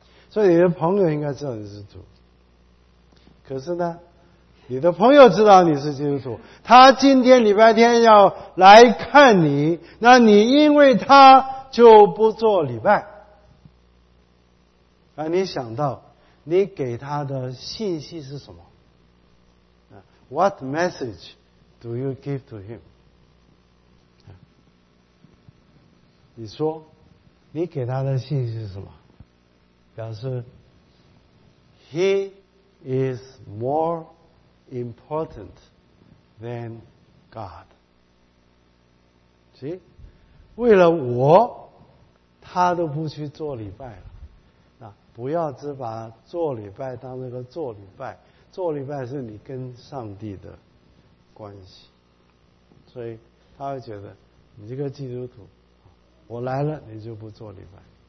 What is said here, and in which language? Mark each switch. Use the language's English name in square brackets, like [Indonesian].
[Chinese] 所以你的朋友应该知道你是基督徒。可是呢，你的朋友知道你是基督徒，他今天礼拜天要来看你，那你因为他就不做礼拜啊，你想到你给他的信息是什么？ [English] What message do you give to him? [Chinese] 你说你给他的信息是什么？表示 [English] He is more important than God. See? [Chinese] 为了我他都不去做礼拜了。那不要只把做礼拜当那个做礼拜，做礼拜是你跟上帝的关系。所以他会觉得你这个基督徒，我来了你就不做礼拜。